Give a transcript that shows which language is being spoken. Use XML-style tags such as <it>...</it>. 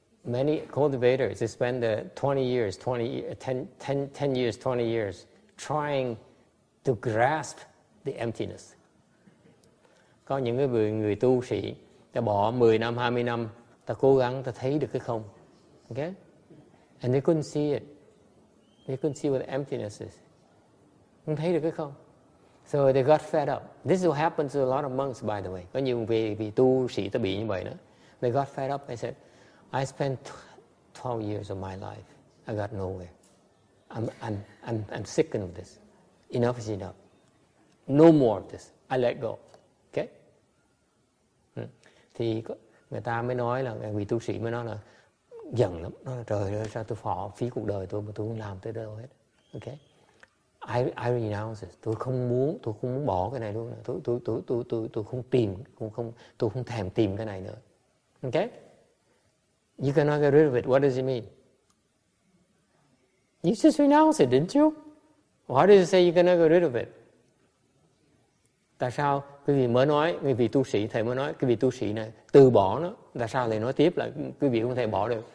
<en>Many cultivators, they spend 20 years trying to grasp the emptiness.</en> <vi>Có những người tu sĩ, ta bỏ 10 năm, 20 năm, ta cố gắng, ta thấy được cái không. Okay?</vi> <en>And they couldn't see it. They couldn't see what the emptiness is.</en> <vi>Không thấy được cái không.</vi> <en>So they got fed up. This is what happens to a lot of monks, by the way.</en> <vi>Có nhiều vị tu sĩ ta bị như vậy nữa.</vi> <en>They got fed up. They said, I spent 12 years of my life. I got nowhere. I'm sickened of this. Enough is enough. No more of this. I let go. Okay?</en> <vi>Thì người ta mới nói là, vị tu sĩ mới nói là giận lắm. Nó là trời ơi, sao tôi phí cuộc đời tôi mà tôi không làm tới đâu hết. Okay?</vi> <en>I renounce it.</en> <vi>Tôi không muốn bỏ cái này luôn. Tôi không tìm, tôi không thèm tìm cái này nữa.</vi> <en>Okay? You cannot get rid of it. What does it mean? You just renounced it, didn't you? Why did you say you cannot get rid of it?</en> <vi>Tại sao quý vị mới nói, quý vị tu sĩ, thầy mới nói, quý vị tu sĩ này từ bỏ nó. Tại sao lại nói tiếp là quý vị không thể bỏ được?</vi>